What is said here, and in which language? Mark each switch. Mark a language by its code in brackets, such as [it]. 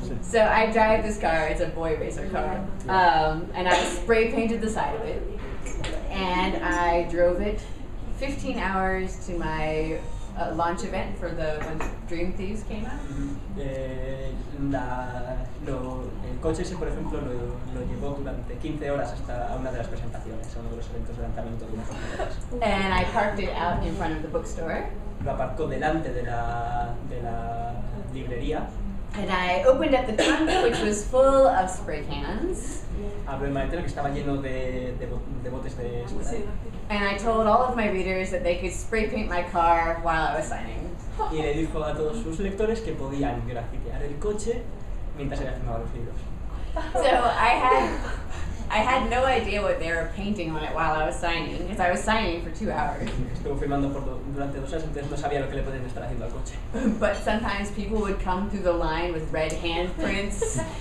[en] So I drive this car, it's a boy racer car, and I spray painted the side of it. And I drove it 15 hours to my launch event for the when Dream Thieves came out. [es] El coche ese, por ejemplo, lo llevó durante 15 horas hasta una de las presentaciones, uno de los eventos de lanzamiento de una de las [en] And I parked it out in front of the bookstore. [es] Lo aparcó delante de la librería. [en] And I opened up the trunk, which was full of spray cans. [es] Abrió el maletero que estaba lleno de botes de spray. [en] And I told all of my readers that they could spray paint my car while I was signing. [es] Y le dijo a todos sus lectores que podían grafitear el coche mientras había firmado los libros. [en] So I had I had no idea what they were painting on it while I was signing, because I was signing for 2 hours. [es] Estuvo firmando durante 2 horas, entonces no sabía lo que le podían estar haciendo al coche. [en] But sometimes people would come through the line with red handprints.